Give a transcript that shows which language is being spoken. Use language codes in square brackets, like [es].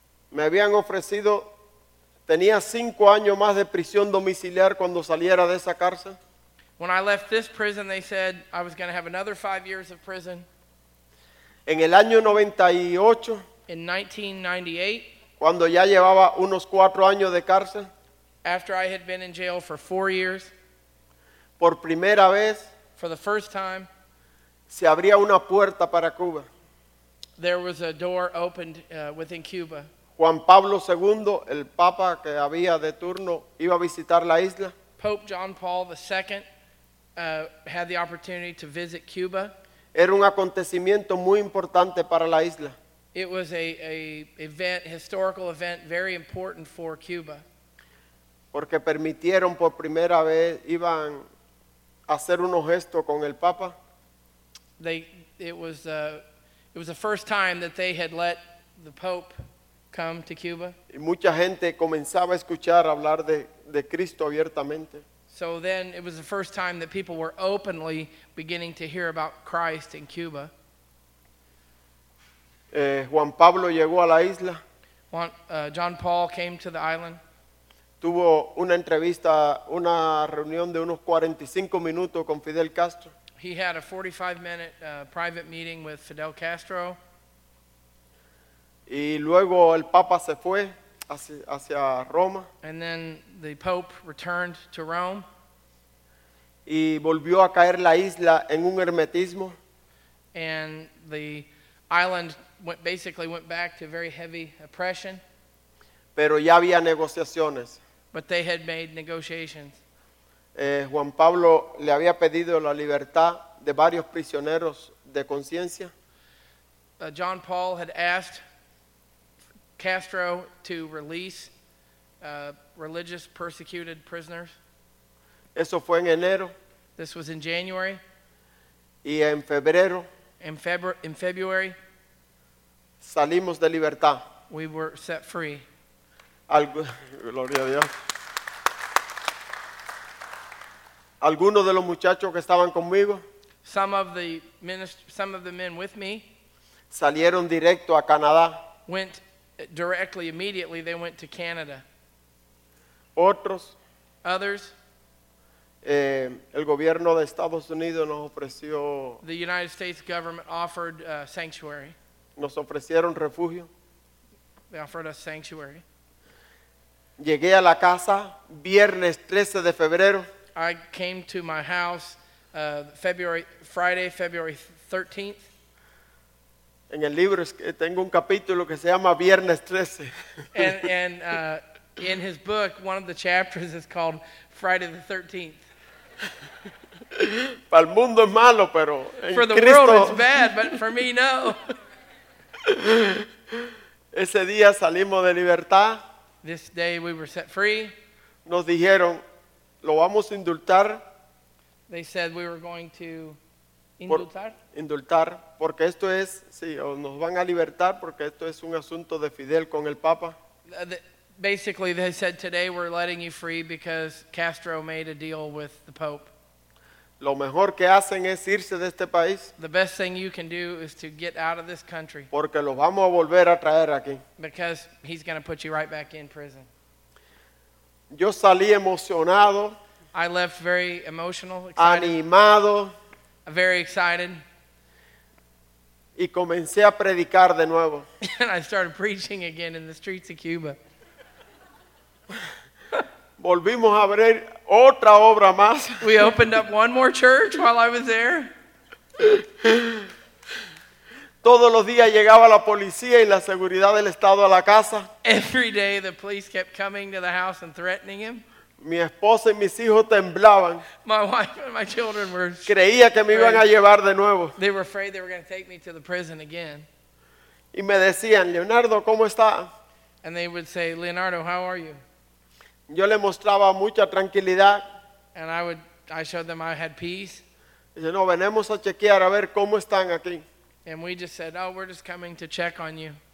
[es] Me habían ofrecido, tenía 5 años más de prisión domiciliar cuando saliera de esa cárcel. [en] When I left this prison, they said I was going to have another 5 years of prison. [es] En el año 98. [en] In 1998. [es] Cuando ya llevaba unos 4 años de cárcel. [en] After I had been in jail for 4 years, [es] por primera vez, [en] for the first time, [es] se abría una puerta para Cuba. [en] There was a door opened within Cuba. [es] Juan Pablo II, el Papa que había de turno, iba a visitar la isla. [en] Pope John Paul II had the opportunity to visit Cuba. [es] Era un acontecimiento muy importante para la isla. [en] It was a historical event very important for Cuba. [es] Porque permitieron por primera vez, iban a hacer unos gestos con el Papa. [en] They, it was, It was the first time that they had let the Pope come to Cuba. [es] Y mucha gente comenzaba a escuchar hablar de Cristo abiertamente. [en] So then it was the first time that people were openly beginning to hear about Christ in Cuba. [es] Juan Pablo llegó a la isla. [en] John Paul came to the island. [es] Tuvo una entrevista, una reunión de unos 45 minutos con Fidel Castro. [en] He had a 45-minute private meeting with Fidel Castro. [es] Y luego el Papa se fue hacia Roma. [en] And then the Pope returned to Rome. [es] Y volvió a caer la isla en un hermetismo. [en] And the island basically went back to very heavy oppression. [es] Pero ya había negociaciones. [en] But they had made negotiations. [es] Juan Pablo le había pedido la libertad de varios prisioneros de conciencia. [en] John Paul had asked Castro to release religious persecuted prisoners. [es] Eso fue en enero. [en] This was in January. [es] Y en febrero. [en] In February. [es] Salimos de libertad. [en] We were set free. [es] Gloria a Dios. Algunos de los muchachos que estaban conmigo, [en] some of the men with me, [es] salieron directo a Canadá. [en] Went directly, immediately, they went to Canada. [es] Otros, [en] others, [es] el gobierno de Estados Unidos nos ofreció. [en] The United States government offered sanctuary. [es] Nos ofrecieron refugio. [en] They offered us sanctuary. [es] Llegué a la casa viernes 13 de febrero. [en] I came to my house Friday, February 13th. [es] En el libro tengo un capítulo que se llama Viernes 13. [en] And in his book, one of the chapters is called Friday the 13th. [es] Para el mundo es malo, pero en [en] for the [es] Cristo [en] world it's bad, but for me, no. [es] Ese día salimos de libertad. [en] This day we were set free. [es] Nos dijeron, lo vamos a indultar. [en] They said we were going to indultar. [es] Indultar, porque esto es, sí, o nos van a libertar porque esto es un asunto de Fidel con el Papa. [en] Basically, they said today we're letting you free because Castro made a deal with the Pope. [es] Lo mejor que hacen es irse de este país. [en] The best thing you can do is to get out of this country. [es] Porque los vamos a volver a traer aquí. [en] Because he's going to put you right back in prison. [es] Yo salí emocionado. [en] I left very emotional, excited. [es] Animado. [en] Very excited. [es] Y comencé a predicar de nuevo. [en] And I started preaching again in the streets of Cuba. [es] Volvimos a abrir otra obra más. [en] We opened up one more church while I was there. [es] Todos los días llegaba la policía y la seguridad del estado a la casa. [en] Every day the police kept coming to the house and threatening him. [es] Mi esposa y mis hijos temblaban. [en] My wife and my children were afraid. [es] Creía que me iban a llevar de nuevo. [en] They were afraid they were going to take me to the prison again. [es] Y me decían, Leonardo, ¿cómo está? [en] And they would say, Leonardo, how are you? [es] Yo le mostraba mucha tranquilidad. [en] And I showed them I had peace. [es] Dice, no, venimos a chequear a ver cómo están aquí. [en] And we just said, oh, we're just coming to check on you.